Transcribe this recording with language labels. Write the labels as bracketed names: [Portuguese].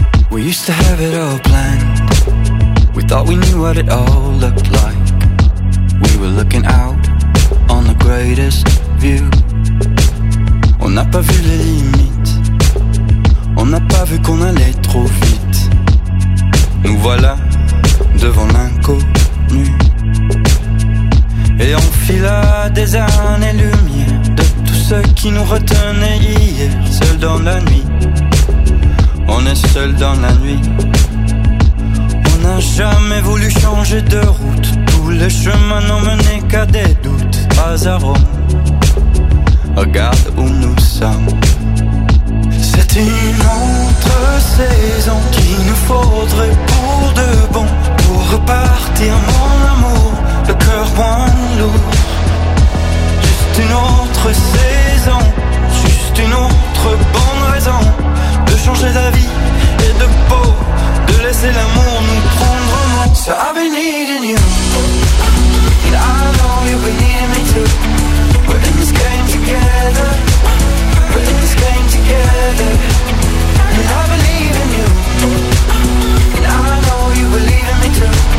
[English] We used to have it all planned. We thought we knew what it all looked like. We were looking out on the greatest view. [French] On n'a pas vu les limites. On n'a pas vu qu'on allait trop vite. Nous voilà devant l'inconnu. Et on fila des années-lumière de tout ce qui nous retenait hier. Seul dans la nuit, on est seul dans la nuit. On n'a jamais voulu changer de route. Tous les chemins n'ont mené qu'à des doutes. Pas à Rome, regarde où nous sommes. C'est une autre saison qu'il nous faudrait pour de bon. Pour repartir mon amour, le cœur moins lourd. Juste une autre saison, juste une autre bonne raison de changer d'avis et de peau, de laisser l'amour nous prendre en main. [English] So I've been needing you, and I know you've been needing me too. We're in this game together, we're in this game together. And I believe in you, and I know you believe in me too.